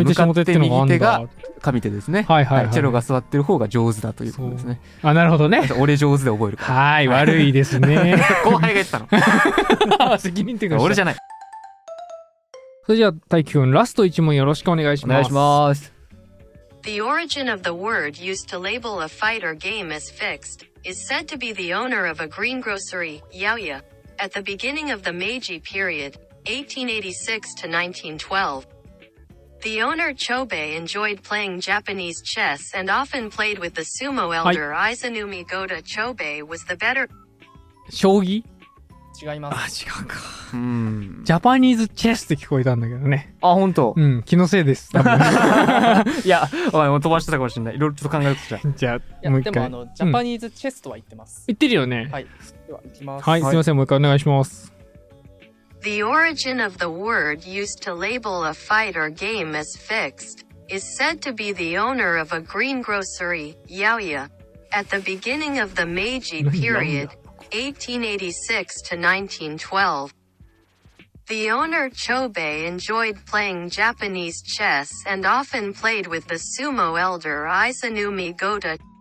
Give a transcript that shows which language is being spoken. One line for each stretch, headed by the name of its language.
Japanese: 上手下手ってのがあるんだ。上手ですね、はいはいはい、チェロが座ってる方が上手だということですね。あなるほどね、俺上手で覚えるから。 はい悪いですね後輩が言ったの責任っていうか俺じゃない。それじゃあ大輝くんラスト1問よろしくお願いします。お願いします。
English: The origin of the word used to label a fight or game is fixed is said to be the owner of a greengrocery, Yaoya, at the beginning of the Meiji period, 1886 to 1912. The owner Chobei enjoyed playing Japanese chess and often played with the sumo elder、
Japanese: はい、
English: Izanumi Gota. Chobei was the better...
Japanese: 将棋? 違います。あ、違うか。うん。ジャパニーズチェスって聞こえたんだけどね。あ、本当。うん、気のせいです。多分いや、お前もう飛ばしてたかもしれない。いろいろちょっと考えてた。じゃあ、もう一回。でもあの、ジャパニーズチェスとは言ってます。言ってるよね。はい。では、行きます。はい、すいません、もう一回お願いします。
English: The origin of the word used to label a fight or game as fixed is said to be the owner of a greengrocery, Yaoya, at the beginning of the Meiji period. 1886 to 1912. The owner Chobei enjoyed playing Japanese chess and often played with the sumo elder Izanumi Gota.